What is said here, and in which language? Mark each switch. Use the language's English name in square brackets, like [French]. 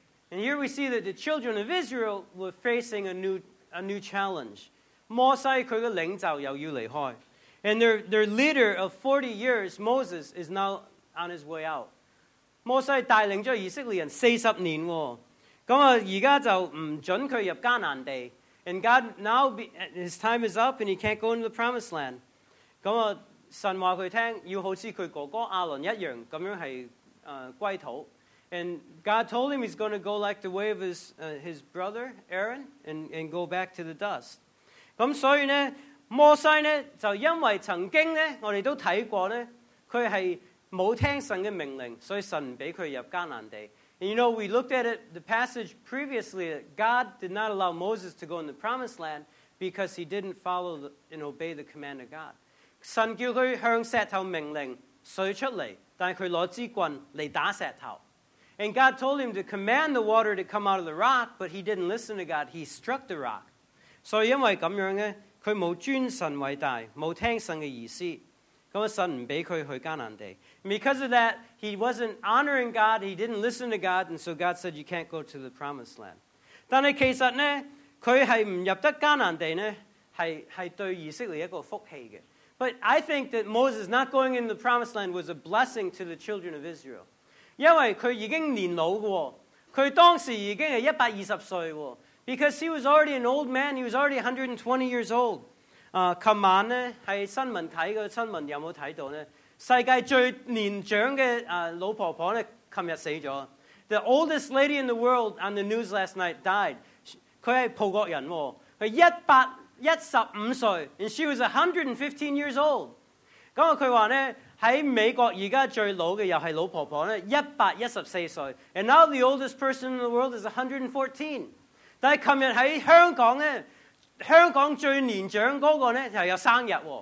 [English] And here we see that the children of Israel were facing a new challenge. [Cantonese] 摩西佢嘅领袖又要离开。 [English] And their leader of 40 years, Moses, is now on his way out. [Cantonese] 摩西带领咗以色列人40年喎。咁啊，而家就唔准佢入迦南地。 [English] And God now, his time is up and he can't go into the promised land. [Cantonese] 咁啊，神话佢听，要好似佢哥哥阿伦一样，咁样系归土。 [English] And God told him he's going to go like the way of his brother, Aaron, and go back to the dust. [Cantonese] 咁所以呢，摩西呢，就因为曾经呢，我哋都睇过呢，佢系冇听神嘅命令，所以神唔俾佢入迦南地。 [English] And you know, we looked at it, the passage previously, that God did not allow Moses to go in the promised land because he didn't follow and obey the command of God. [Cantonese] 神叫佢向石头命令，水出嚟，但佢攞支棍嚟打石头。 [English] And God told him to command the water to come out of the rock, but he didn't listen to God. He struck the rock. So, [Cantonese] 因为咁样呢，佢冇尊神为大，冇听神嘅意思，咁神唔俾佢去迦南地。 [English] Because of that, he wasn't honoring God, he didn't listen to God, and so God said, you can't go to the promised land. [Cantonese] 但系其实呢，佢系唔入得迦南地呢，系对以色列一个福气嘅。 [English] But I think that Moses not going in the promised land was a blessing to the children of Israel. [Cantonese] 因为他已经年老了，他当时已经是120岁了。 [English] Because he was already an old man, he was already 120 years old. [Cantonese] 昨晚呢，在新闻看的新闻有没有看到呢？世界最年长的老婆婆呢，昨天死了。 [English] The oldest lady in the world on the news last night died. [Cantonese] 她是葡国人，她115岁， [English] and she was 115 years old. [Cantonese] 她说呢，在美国现在最老的又是老婆婆114岁。 [English] And now the oldest person in the world is 114. [Cantonese] 但是昨天在香港呢，香港最年长的那个呢，有生日。